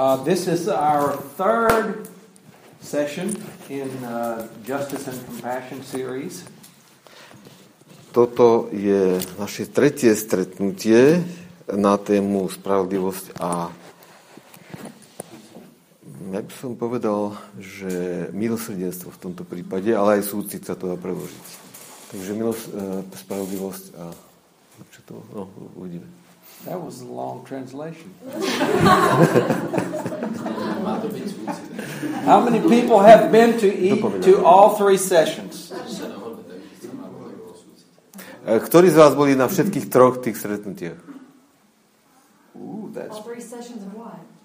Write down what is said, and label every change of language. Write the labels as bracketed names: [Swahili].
[English] This is our third session in Justice and Compassion series. [Slovak] Toto je naše tretie stretnutie na tému spravodlivosť a ja by som povedal, že milosrdenstvo v tomto prípade, ale aj súcit sa to dá preložiť. Takže spravodlivosť a čo to? No, uvidíme. [English] That was a long translation. How many people have been to all three sessions? [Slovak] Ktorí z vás boli na všetkých troch tých stretnutiach? [English] All three sessions of what?